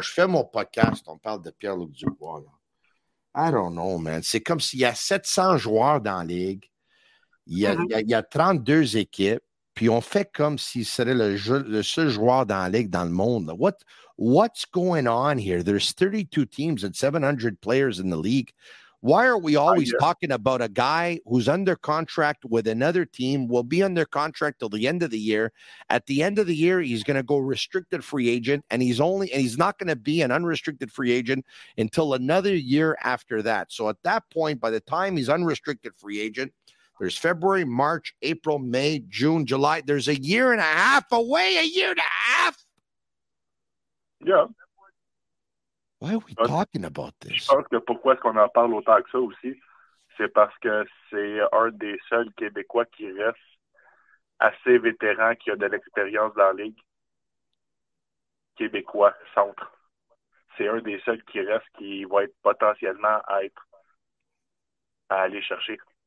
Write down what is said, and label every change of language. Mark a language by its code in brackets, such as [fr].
[fr] Je fais mon podcast, on parle de Pierre-Luc Dubois. Là. [en] I don't know, man. [fr] C'est comme s'il y a 700 joueurs dans la Ligue, il y a 32 équipes, puis on fait comme s'il serait le seul joueur dans la Ligue dans le monde. [en] What's going on here? There's 32 teams and 700 players in the league. Why are we always talking about a guy who's under contract with another team, will be under contract till the end of the year? At the end of the year, he's going to go restricted free agent, and he's not going to be an unrestricted free agent until another year after that. So at that point, by the time he's unrestricted free agent, there's February, March, April, May, June, July. There's a year and a half away, a year and a half. Yeah. Why are we talking about this? [fr] Je pense que pourquoi est-ce qu'on en parle autant que ça aussi, c'est parce que c'est un des seuls Québécois qui reste assez vétéran, qui a de l'expérience dans la Ligue. Québécois, centre. C'est un des seuls qui reste qui va être potentiellement à aller chercher.